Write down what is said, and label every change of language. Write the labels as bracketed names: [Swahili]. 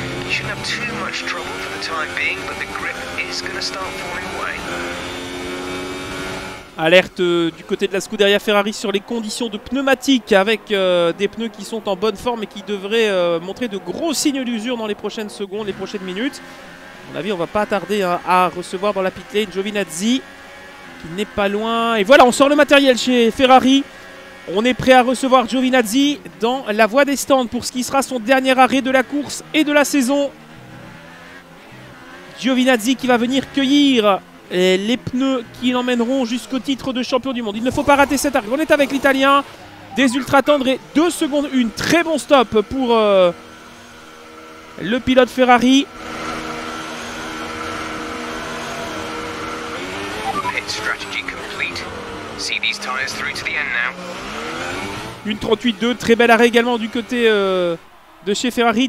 [English] You shouldn't have too much trouble for the time being, but the grip is going to start falling away. [French] Alerte du côté de la Scuderia Ferrari sur les conditions de pneumatique avec des pneus qui sont en bonne forme et qui devraient montrer de gros signes d'usure dans les prochaines secondes, les prochaines minutes. À mon avis, on va pas tarder à recevoir dans la pit lane Giovinazzi qui n'est pas loin. Et voilà, on sort le matériel chez Ferrari. On est prêt à recevoir Giovinazzi dans la voie des stands pour ce qui sera son dernier arrêt de la course et de la saison. Giovinazzi qui va venir cueillir les pneus qui l'emmèneront jusqu'au titre de champion du monde. Il ne faut pas rater cet arrêt. On est avec l'Italien. des ultra tendres et 2 secondes, une très bon stop pour le pilote Ferrari. [English] Pit strategy complete. See these tires through to the end now. [French] Une 38-2, très bel arrêt également du côté de chez Ferrari.